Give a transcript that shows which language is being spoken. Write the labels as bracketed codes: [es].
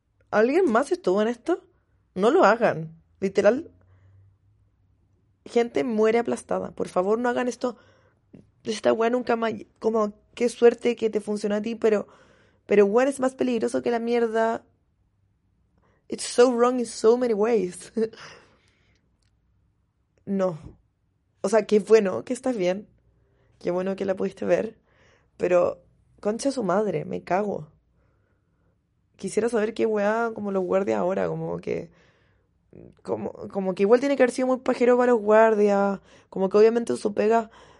[es] ¿Alguien más estuvo en esto? No lo hagan. Literal. Gente muere aplastada. Por favor, no hagan esto. Esta weá nunca más. Como, qué suerte que te funciona a ti, pero. Pero weá es más peligroso que la mierda. [en] It's so wrong in so many ways. [es] No. O sea, qué bueno que estás bien. Qué bueno que la pudiste ver. Pero. Concha su madre, me cago. Quisiera saber qué weá como los guardias ahora, como que. Como que igual tiene que haber sido muy pajero para los guardias. Como que obviamente su pega.